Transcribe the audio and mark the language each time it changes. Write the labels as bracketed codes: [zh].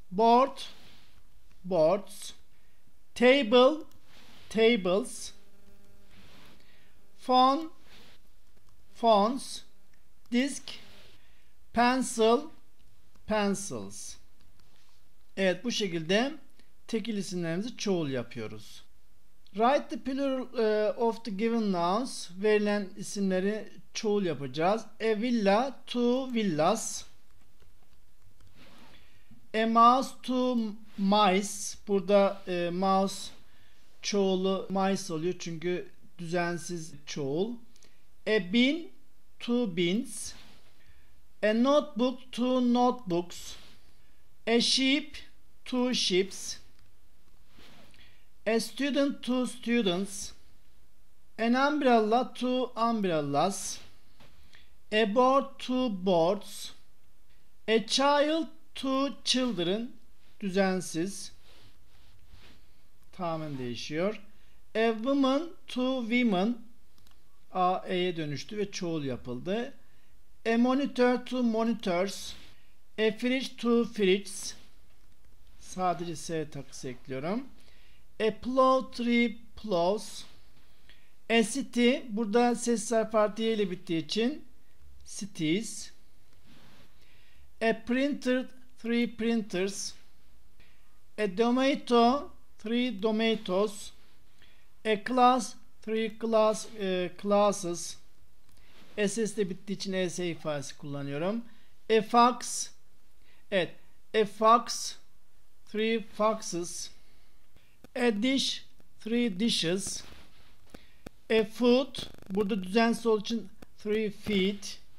[en] Board boards. Table tables. Phone phones. Disk pencil pencils. [tr] Evet, bu şekilde tekil isimlerimizi çoğul yapıyoruz. [en] Write the plural of the given nouns. [tr] Verilen isimleri çoğul yapacağız. [en] A villa, two villas. A mouse, two mice. [tr] Burada mouse çoğulu mice oluyor çünkü düzensiz çoğul. [en] A bin, two bins. A notebook, two notebooks. A sheep, two sheeps. A student, two students. An umbrella, two umbrellas. A board, two boards. A child, two children. [tr] Düzensiz. Tamamen değişiyor. [en] A woman, two women. [tr] A, E'ye dönüştü ve çoğul yapıldı. [en] A monitor, two monitors. A fridge, two fridges. [tr] Sadece S takısı ekliyorum. [en] A plow, three plows. A city. [tr] Burada ses sarf artı Y ile bittiği için cities. [en] A printer, three printers. A tomato, three tomatoes. A class, three class, classes. [tr] SS ile bittiği için ES ifadesi kullanıyorum. [en] A fox. Evet. A fox, three foxes. A dish, three dishes. A foot, [tr] burada düzensiz olduğu için [en] three feet.